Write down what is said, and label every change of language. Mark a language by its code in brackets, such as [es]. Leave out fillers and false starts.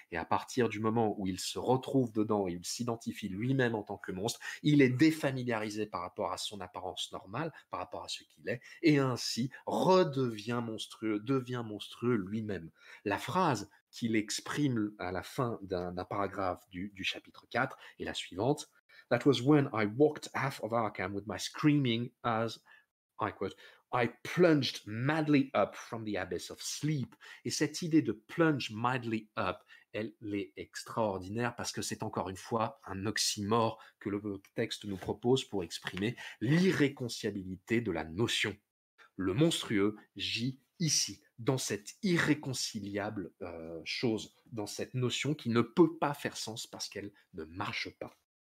[fr] Et à partir du moment où il se retrouve dedans et il s'identifie lui-même en tant que monstre, il est défamiliarisé par rapport à son apparence normale, par rapport à ce qu'il est, et ainsi devient monstrueux lui-même. La phrase qu'il exprime à la fin d'un paragraphe du chapitre 4 est la suivante. [en] That was when I walked half of Arkham with my screaming as, I quote, I plunged madly up from the abyss of sleep. [fr] Et cette idée de [en] plunge madly up, [fr] elle est extraordinaire parce que c'est encore une fois un oxymore que le texte nous propose pour exprimer l'irréconciliabilité de la notion. Le monstrueux gît ici, dans cette irréconciliable chose, dans cette notion qui ne peut pas faire sens parce qu'elle ne marche pas.